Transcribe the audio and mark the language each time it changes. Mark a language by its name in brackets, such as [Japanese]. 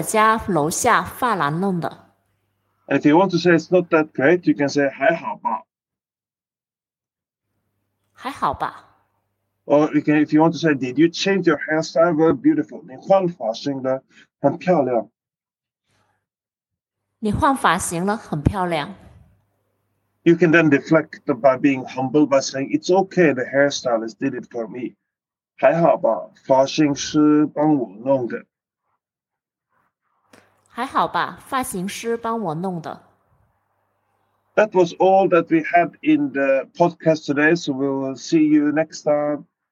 [Chinese] 还行吧，在我家楼下发廊弄的。还行吧，在我家楼下发廊弄的。 [English] And if you want to say it's not that great, you can say [Chinese] 还好吧。还好吧。 [English] Or you can, if you want to say, did you change your hairstyle? Very beautiful. [Chinese] 你换发型了，很漂亮。你换发型了，很漂亮。 [English] You can then deflect by being humble by saying, it's okay, the hairstylist did it for me. [Chinese] 还好吧，发型师帮我弄的。还好吧，发型师帮我弄的。 [English] That was all that we had in the podcast today, so we will see you next time.